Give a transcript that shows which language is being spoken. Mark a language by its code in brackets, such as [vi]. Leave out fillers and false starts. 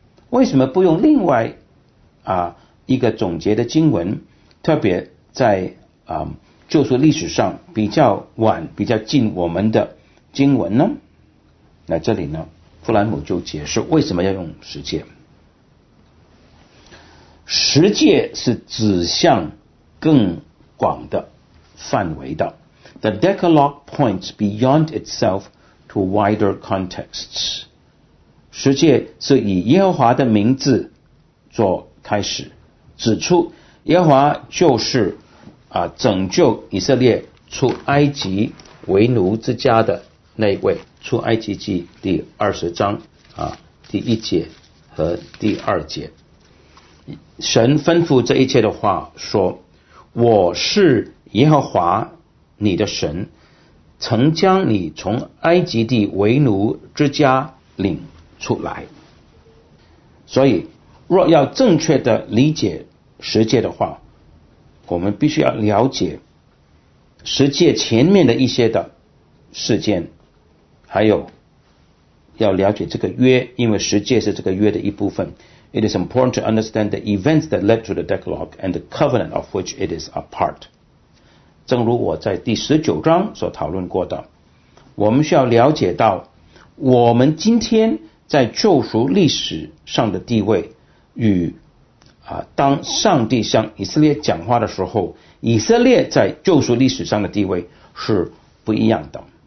[zh] 为什么不用另外一个总结的经文，特别在旧约历史上比较晚比较近我们的经文呢？那这里呢，弗兰姆就解释为什么要用十诫。十诫是指向更广的范围的， [en] The Decalogue points beyond itself to wider contexts。 [zh] 十诫是以耶和华的名字做开始，指出耶和华就是拯救以色列出埃及为奴之家的那位，出埃及记第二十章第一节和第二节，神吩咐这一切的话说，我是耶和华你的神，曾将你从埃及地为奴之家领出来。所以若要正确的理解十诫的话，我们必须要了解十诫前面的一些的事件，还有要了解这个约，因为十诫是这个约的一部分。 [en] It is important to understand the events that led to the Decalogue and the covenant of which it is a part。 [zh] 正如我在第十九章所讨论过的，我们需要了解到我们今天在救赎历史上的地位，与当上帝向以色列讲话的时候，以色列在救赎历史上的地位是不一样的。